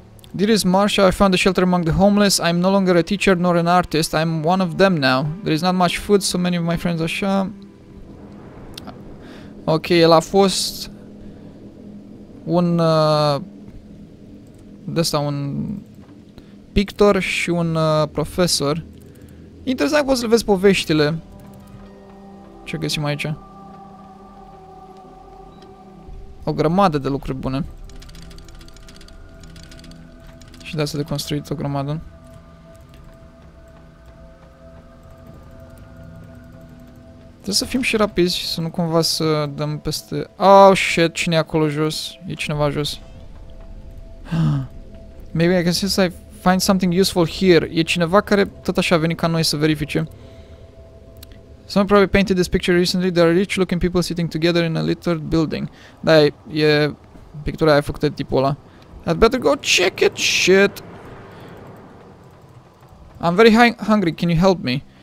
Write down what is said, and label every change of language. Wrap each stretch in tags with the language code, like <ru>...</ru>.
<en>Dear Marsha, I found a shelter among the homeless. I'm no longer a teacher nor an artist. I'm one of them now. There is not much food, so many of my friends are...</en> <ro>Ok, el a fost un un pictor și un profesor. Interesant că poți să-l vezi poveștile. Ce găsim aici? O grămadă de lucruri bune. Și de asta de construit o grămadă. Trebuie să fim și rapizi, să nu cumva să dăm peste...</ro> <en>Oh, shit,</en> <ro>cine e acolo jos? E cineva jos.</ro> <en>Maybe I can see if I find something useful here.</en> <ro>E cineva care tot așa a venit ca noi să verifice.</ro> <en>Someone probably painted this picture recently. There are rich looking people sitting together in a littered building.</en> <ro>Da, e pictura aia făcută de tipul ăla.</ro> <en>I'd better go check it, shit. I'm very hungry, can you help me?</en>